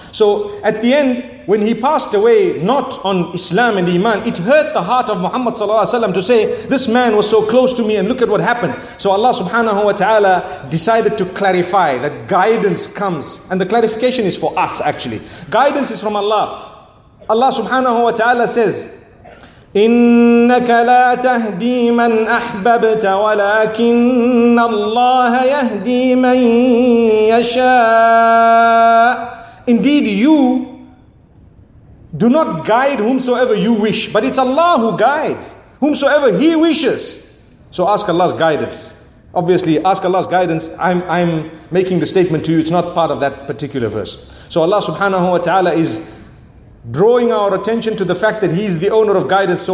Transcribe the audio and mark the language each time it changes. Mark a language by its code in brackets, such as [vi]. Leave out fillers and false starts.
[en] So at the end, when he passed away, not on Islam and Iman, it hurt the heart of Muhammad sallallahu alayhi wa sallam to say, this man was so close to me and look at what happened. So Allah subhanahu wa ta'ala decided to clarify that guidance comes. And the clarification is for us actually. Guidance is from Allah. Allah subhanahu wa ta'ala says, [ar] إِنَّكَ لَا تَهْدِي مَنْ أَحْبَبْتَ وَلَكِنَّ اللَّهَ يَهْدِي مَنْ يَشَاءُ. [en] Indeed, you do not guide whomsoever you wish, but it's Allah who guides whomsoever He wishes. So ask Allah's guidance. Obviously, ask Allah's guidance. I'm making the statement to you. It's not part of that particular verse. So Allah subhanahu wa ta'ala is drawing our attention to the fact that He is the owner of guidance.